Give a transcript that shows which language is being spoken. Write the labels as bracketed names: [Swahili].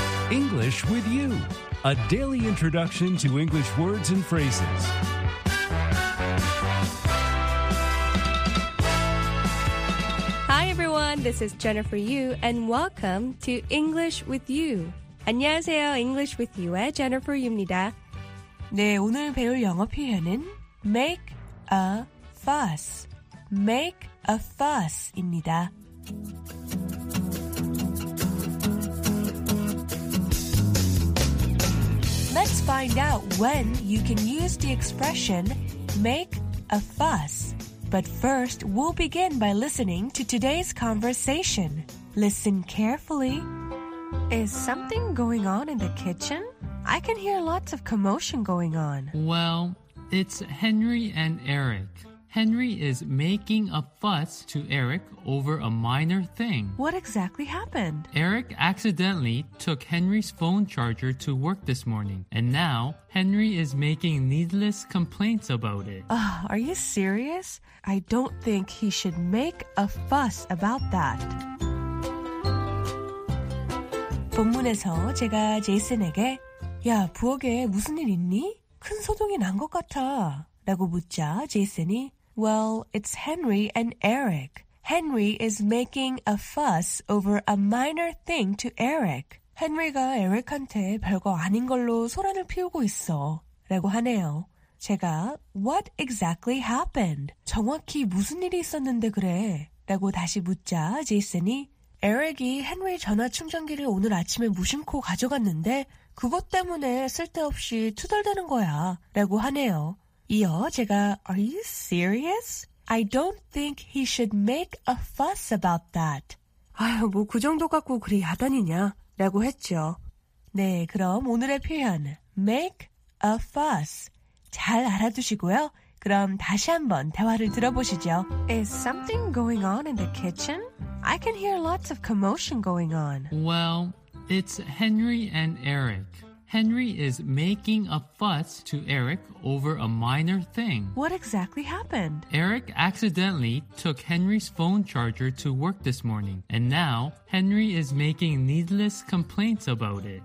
[English] English with you, a daily introduction to English words and phrases. Hi everyone, this is Jennifer Yu and welcome to English with you. [Korean] 안녕하세요, English with you의 Jennifer Yu입니다. 네, 오늘 배울 영어 표현은 make a fuss. Make a fuss입니다. [English] Let's find out when you can use the expression make a fuss. But first, we'll begin by listening to today's conversation. Listen carefully. Is something going on in the kitchen? I can hear lots of commotion going on. Well, it's Henry and Eric. Henry is making a fuss to Eric over a minor thing. What exactly happened? Eric accidentally took Henry's phone charger to work this morning, and now Henry is making needless complaints about it. Are you serious? I don't think he should make a fuss about that. [Korean] 본문에서 제가 제이슨에게 야, 부엌에 무슨 일 있니? 큰 소동이 난 것 같아. 라고 묻자 제이슨이 [English] Well, it's Henry and Eric. Henry is making a fuss over a minor thing to Eric. [Korean] Henry가 Eric한테 별거 아닌 걸로 소란을 피우고 있어. 라고 하네요. 제가 [English] What exactly happened? [Korean] 정확히 무슨 일이 있었는데 그래? 라고 다시 묻자 제이슨이 Eric이 Henry 전화 충전기를 오늘 아침에 무심코 가져갔는데 그것 때문에 쓸데없이 투덜대는 거야. 라고 하네요. 이어 제가 [English] Are you serious? I don't think he should make a fuss about that. [Korean] 아휴, 뭐 그 정도 갖고 그리 야단이냐? 라고 했죠. 네, 그럼 오늘의 표현 make a fuss 잘 알아두시고요. 그럼 다시 한번 대화를 들어보시죠. [English] Is something going on in the kitchen? I can hear lots of commotion going on. Well, it's Henry and Eric. Henry is making a fuss to Eric over a minor thing. What exactly happened? Eric accidentally took Henry's phone charger to work this morning, and now Henry is making needless complaints about it.